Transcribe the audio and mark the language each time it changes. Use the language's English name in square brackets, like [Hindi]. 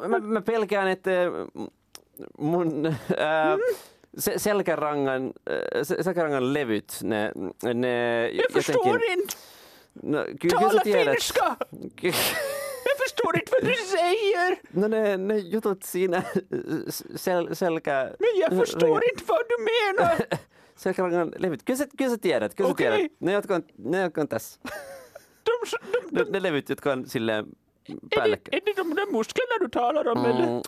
[Finnish] Mä pelkään, että mun selkärangan levyt, ne jotenkin... [Swedish] Jag förstår inte vad du säger! [Finnish] No, ne jutut siinä selkä... [Swedish] Men jag förstår inte vad du menar! [Finnish] Selkärangan levyt, kyllä sä tiedät, kyllä sä tiedät. Ne jotka on tässä. Ne levyt, jotka on silleen... [Swedish] Är det de musklerna du talar om, eller?